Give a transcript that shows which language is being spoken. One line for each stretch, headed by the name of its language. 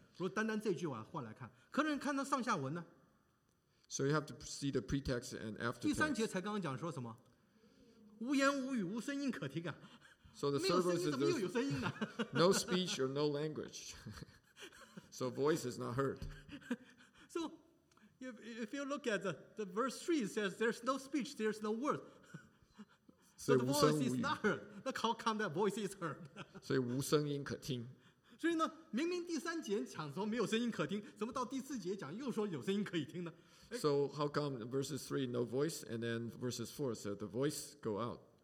Chinese: 如果单单这句话换来看，可能看到上下文呢。
English: So you have to see the pretext and aftertext.
Chinese: 第三节才刚刚讲说什么？无言无语，无声音可听啊。So
English: the third verse is
Chinese: 怎么又有声音呢？
English: No speech or no language. So voice is not heard. So. If you look at the verse 3, it says there's no speech, there's no word. So the voice is not heard. Look how come that voice is heard.
Chinese: 所以无声音可听。所以呢，明明第三节讲说没有声音可听，怎么到第四节讲又说有声音可以听呢？
English: So how come verses 3, no voice, and then verses 4, so the voice go out?